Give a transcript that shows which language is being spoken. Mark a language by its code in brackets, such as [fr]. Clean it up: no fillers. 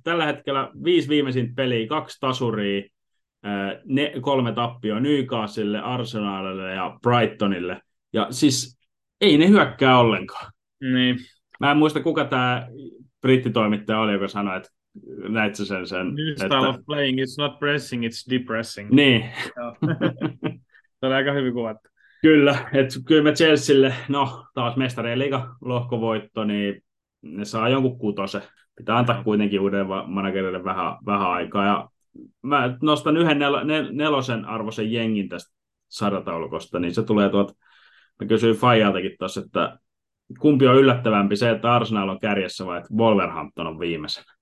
[fi] Tällä hetkellä 5 viimeisintä peliä, 2 tasuria, 3 tappia Newcastlelle, Arsenalille ja Brightonille, ja siis ei ne hyökkää ollenkaan. Niin. Mä en muista, kuka tämä brittitoimittaja oli, joka sanoi, että näit sä sen. [en] New style [fi] että... [en] of playing, it's not pressing, it's depressing. [fi] Niin. Se on aika hyvin kuvattu. Kyllä, että kyllä me Chelsealle, no taas mestarien liiga lohkovoitto, niin ne saa jonkun kutosen. Pitää antaa kuitenkin uuden managerille vähän aikaa. Ja mä nostan yhden nelosen arvoisen jengin tästä sarjataulukosta, niin se tulee tuolta, mä kysyin Fajaltakin tuossa, että kumpi on yllättävämpi, se, että Arsenal on kärjessä vai että Wolverhampton on viimeisenä?